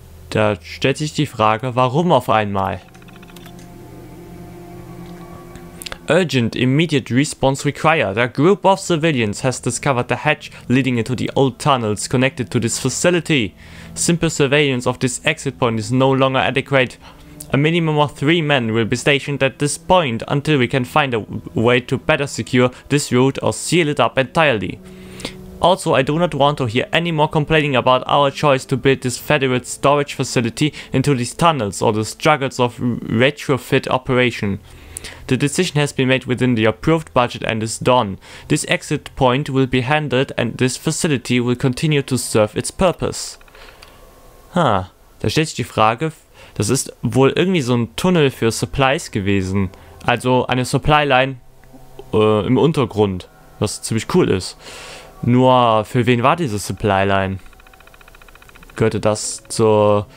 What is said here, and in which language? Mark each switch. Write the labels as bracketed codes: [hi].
[de] Da stellt sich die Frage, warum auf einmal? [en] Urgent immediate response required. A group of civilians has discovered the hatch leading into the old tunnels connected to this facility. Simple surveillance of this exit point is no longer adequate. A minimum of 3 men will be stationed at this point until we can find a way to better secure this route or seal it up entirely. Also, I do not want to hear any more complaining about our choice to build this federal storage facility into these tunnels or the struggles of retrofit operation. The decision has been made within the approved budget and is done. This exit point will be handled and this facility will continue to serve its purpose. [de] Huh, da stellt sich die Frage. Das ist wohl irgendwie so ein Tunnel für Supplies gewesen. Also eine Supply-Line im Untergrund, was ziemlich cool ist. Nur für wen war diese Supply-Line? Gehörte das zur...